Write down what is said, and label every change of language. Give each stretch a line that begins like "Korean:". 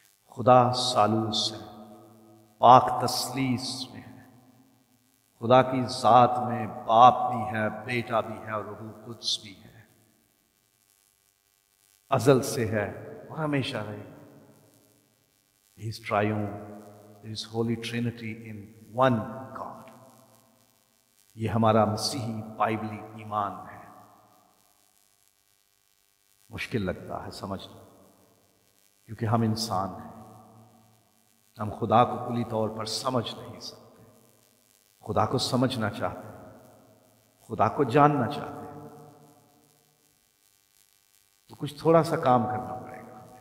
Urdu: خدا سالوس ہے، پاک تثلیث میں، خدا کی ذات میں باپ بھی ہے، بیٹا بھی ہے اور روح القدس بھی ہے، ازل سے ہے اور ہمیشہ رہے.
English: His triune, His holy trinity in one God.
Urdu: یہ ہمارا مسیحی بائبلی ایمان ہے. مشکل لگتا ہے سمجھنا کیونکہ ہم انسان ہیں، ہم خدا کو کلی طور پر سمجھ نہیں سکتے. خدا کو سمجھنا چاہتے ہیں، خدا کو جاننا چاہتے ہیں تو کچھ تھوڑا سا کام کرنا پڑے گا.